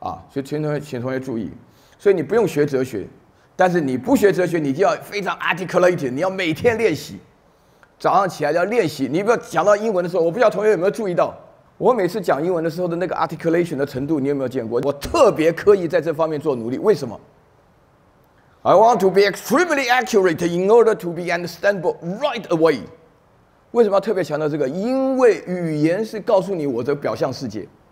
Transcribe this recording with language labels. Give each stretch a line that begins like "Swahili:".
Chinese: 所以请同学注意，所以你不用学哲学，但是你不学哲学，你就要非常 articulated， 你要每天练习，早上起来要练习。你不要讲到英文的时候，我不知道同学有没有注意到，我每次讲英文的时候的那个 articulation 的程度，你有没有见过？我特别刻意在这方面做努力，为什么？
English: I want to be extremely accurate in order to be understandable right away.
Chinese: 为什么要特别强调这个？因为语言是告诉你我的表象世界。